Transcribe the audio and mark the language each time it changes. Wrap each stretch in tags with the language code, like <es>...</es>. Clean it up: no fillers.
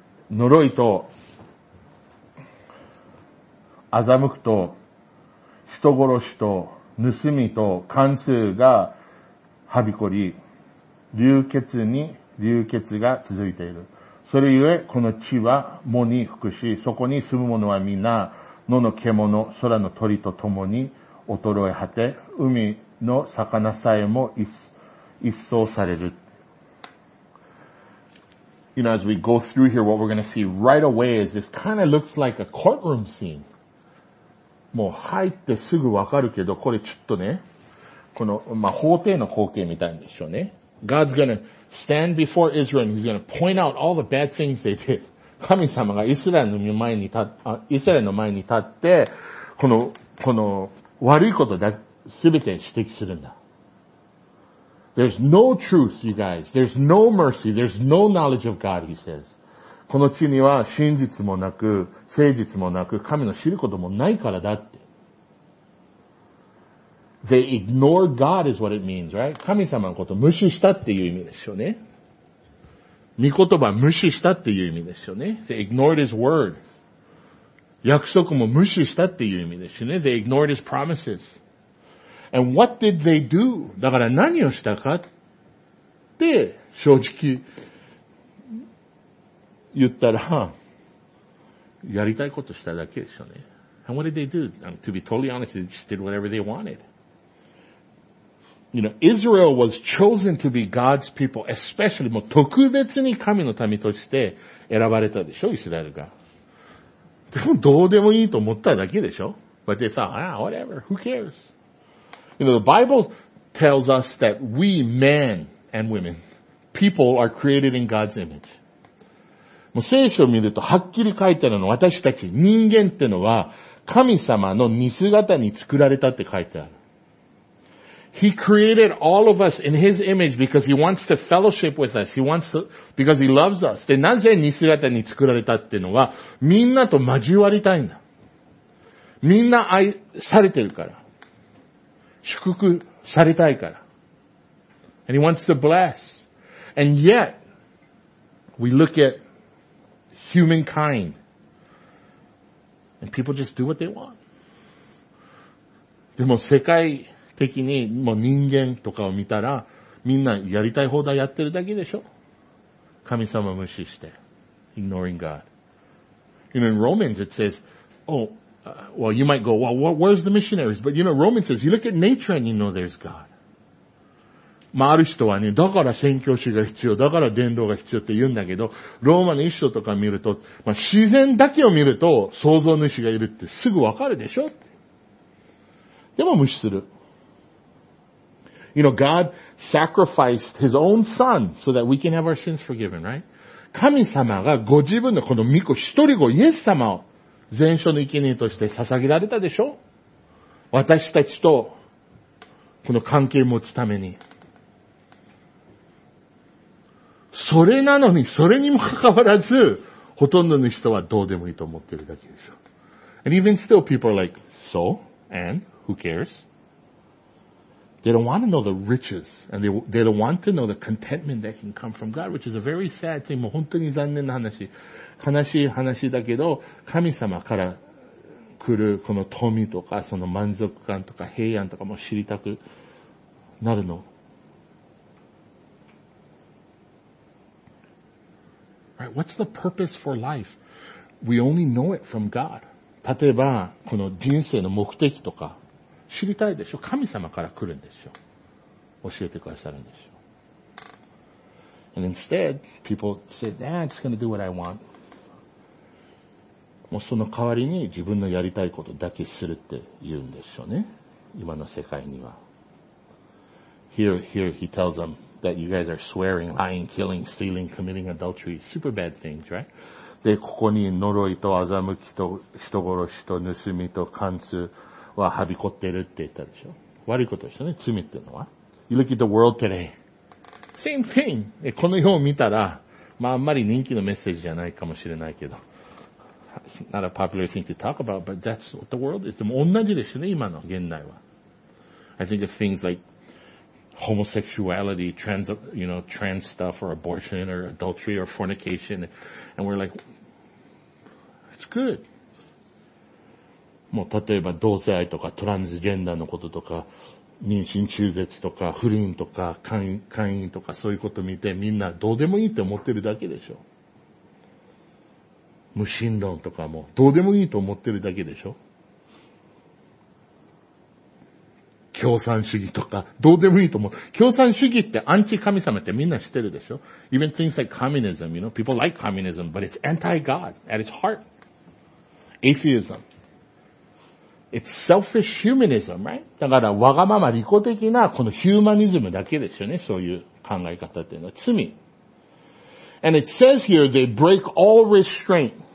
<ja>呪いと、欺くと、人殺しと、盗みと、貫通がはびこり、流血が続いている。それゆえ、この地は藻に服し、そこに住む者は皆、野の獣、空の鳥と共に衰え果て、海の魚さえも一掃される。</ja> <en>You know, as we go through here, what we're going to see right away is this kind of looks like a courtroom scene.</en> <ja>もう入ってすぐわかるけど、これちょっとね、この、まあ、法廷の光景みたいでしょうね。</ja> <en>God's going to stand before Israel and he's going to point out all the bad things they did.</en> <ja>神様がイスラエルの前に立って、この悪いことだ、すべて指摘するんだ。</ja> <en>There's no truth, you guys. There's no mercy. There's no knowledge of God, he says.</en> <ja>この地には真実もなく、誠実もなく、神の知ることもないからだって。</ja> <en>They ignore God is what it means, right?</en> <ja>神様のことを無視したっていう意味ですよね。御言葉を無視したっていう意味ですよね。</ja> <en>They ignored his word.</en> <ja>約束も無視したっていう意味ですよね。</ja> <en>They ignored his promises. And what did they do?</en> <ja>だから何をしたかって正直言ったら、やりたいことしただけでしょうね。</ja> <en>And what did they do? To be totally honest, they just did whatever they wanted. You know, Israel was chosen to be God's people, especially,</en> <ja>もう特別に神の民として選ばれたでしょ、イスラエルが。でもどうでもいいと思っただけでしょ。</ja> <en>But they thought, whatever, who cares? You know, the Bible tells us that we, men and women, people are created in God's image.</en> <ja>もう聖書を見るとはっきり書いてあるの、私たち人間ってのは神様の似姿に作られたって書いてある。</ja> <en>He created all of us in His image because He wants to fellowship with us. Because He loves us.</en> <ja>で、なぜ似姿に作られたっていうのは、みんなと交わりたいんだ。みんな愛されてるから。祝福されたいから。</ja> <en>And he wants to bless. And yet, we look at humankind. And people just do what they want.</en> <ja>でも世界的にもう人間とかを見たら、みんなやりたい放題やってるだけでしょ。神様無視して。</ja> <en>Ignoring God. You know, in Romans it says, Well, you might go, well, where's the missionaries? But you know, Romans says, you look at nature and you know there's God.</en> <ja>まあ、ある人はね、だから宣教師が必要、だから伝道が必要って言うんだけど、ローマの一章とか見ると、まあ、自然だけを見ると、創造主がいるってすぐわかるでしょ。でも無視する。</ja> <en>You know, God sacrificed his own son so that we can have our sins forgiven, right?</en> <ja>神様がご自分のこの御子一人子、イエス様を、全書の生贄として捧げられたでしょ？私たちとこの関係を持つために。それなのに、それにもかかわらず、ほとんどの人はどうでもいいと思ってるだけでしょ。</ja> <en>And even still people are like, so? And? Who cares? They don't want to know the riches, and they don't want to know the contentment that can come from God, which is a very sad thing.</en> <ja>もう本当に残念な話。悲しい話だけど、神様から来るこの富とか、その満足感とか平安とかも知りたくなるの。</ja> <en>Right, what's the purpose for life? We only know it from God.</en> <ja>例えばこの人生の目的とか知りたいでしょ。神様から来るんでしょ。教えてくださるんでしょ。</ja> <en>And instead, people say, "Nah, I'm just going to do what I want."</en> <ja>もうその代わりに自分のやりたいことだけするって言うんでしょうね。今の世界には。</ja> <en>Here, he tells them that you guys are swearing, lying, killing, stealing, committing adultery. Super bad things, right?</en> <ja>で、ここに呪いと欺きと人殺しと盗みと姦通ははびこってるって言ったでしょ。悪いことでしょね、罪っていうのは。</ja> <en>You look at the world today. Same thing.</en> <ja>この世を見たら、まああんまり人気のメッセージじゃないかもしれないけど。</ja> <en>It's not a popular thing to talk about, but that's what the world is.</en> <ja>でも同じでしょね、今の現代は。</ja> <en>I think of things likeHomosexuality, trans, you know, trans stuff, or abortion, or adultery, or fornication, and we're like, it's good.</en> <ja>もう例えば同性愛とかトランスジェンダーのこととか妊娠中絶とか不倫とか姦淫とかそういうこと見てみんなどうでもいいと思ってるだけでしょ。無神論とかもどうでもいいと思ってるだけでしょ。共産主義とか、どうでもいいと思う。共産主義ってアンチ神様ってみんな知ってるでしょ ?</ja> <en>Even things like communism, you know, people like communism, but it's anti-God at its heart.Atheism. It's selfish humanism, right?</en> <ja>だから、わがまま利己的なこのヒューマニズムだけですよね、そういう考え方っていうのは。罪。</ja> <en>And it says here, they break all restraint.</en>